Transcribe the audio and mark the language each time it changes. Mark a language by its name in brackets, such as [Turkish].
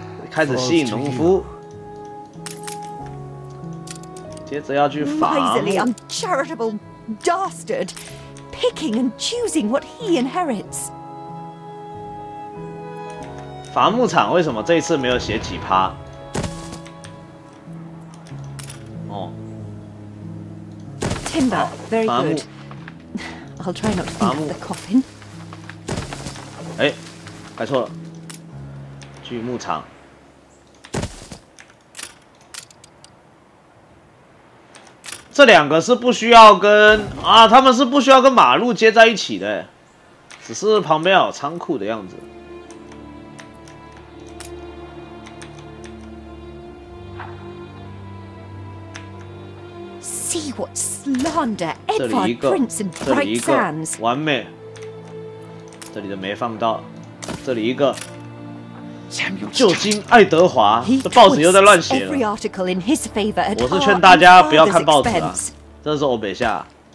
[Chinese] 开始吸引农夫，接着要去访。 [English] Miserly, uncharitable dastard, picking and choosing what he inherits. [Chinese] 伐木场为什么这一次没有写几趴？哦 [English] ，Timber, very good. I'll try not to think of the coffin. [Chinese] 哎，改错了。锯木场。这两个是不需要跟啊，他们是不需要跟马路接在一起的，只是旁边有仓库的样子。 [English] See what slander Edvard Prince and Bright Sands. [Chinese] 完美，这里的没放到，这里一个。旧金爱德华，这报纸又在乱写了。我是劝大家不要看报纸啊，这是欧北下。